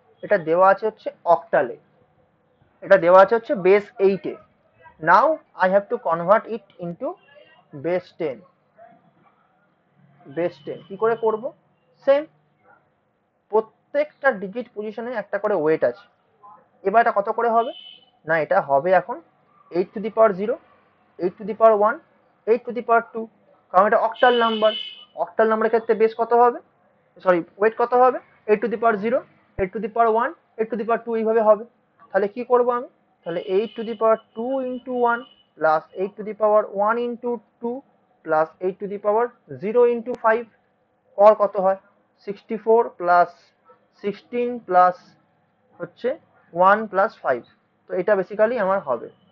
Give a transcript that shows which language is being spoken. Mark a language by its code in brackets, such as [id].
[bn] এটা দেওয়া আছে হচ্ছে অক্টালে, এটা দেওয়া আছে হচ্ছে base 8 A. [en] Now I have to convert it into base 10। [bn] Base 10 কি করে করব? সেম প্রত্যেকটা ডিজিট পজিশনে একটা করে ওয়েট আছে। এবার এটা কত করে হবে? না এটা হবে এখন 8 to the power 0, 8 to the power 1, 8 to the power 2, কারণ এটা অক্টাল নাম্বার। অক্টাল নাম্বারের ক্ষেত্রে বেস কত হবে, সরি ওয়েট কত হবে? 8 to the power 0, 8 to the power 1, 8 to the power 2, এইভাবে হবে। তাহলে কি করব আমি? তাহলে 8 to the power 2 into 1 plus 8 to the power 1 into 2 plus 8 to the power 0 into 5 কর কত হয়? 64 প্লাস 16 প্লাস হচ্ছে 1 প্লাস 5, তো এটা বেসিক্যালি আমার হবে।